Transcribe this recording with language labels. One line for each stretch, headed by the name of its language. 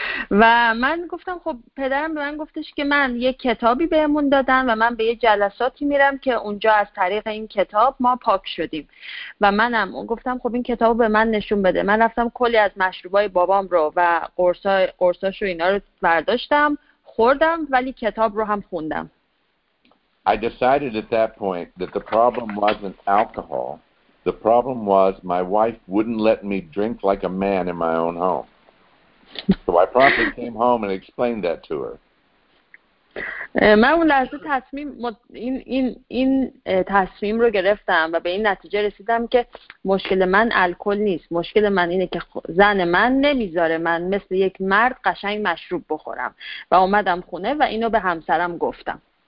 Persian: و من گفتم خب پدرم به من گفتش که من یه کتابی بهمون دادن و من به یه جلساتی میرم که اونجا از طریق این کتاب ما پاک شدیم و منم گفتم خب این کتاب به من نشون بده. من رفتم کلی از مشروبای بابام رو و قرصاش رو اینا رو برداشتم خوردم ولی کتاب رو هم خوندم.
English: I decided at that point that the problem wasn't alcohol. The problem was my wife wouldn't let me drink like a man in my own home. So I promptly came home and explained that to her.
Persian: من اون لحظه تصمیم این تصمیم رو گرفتم و به این نتیجه رسیدم که مشکل من الکل نیست. مشکل من اینه که زن من نمیذاره من مثل یک مرد قشنگ مشروب بخورم. و اومدم خونه و اینو به همسرم گفتم.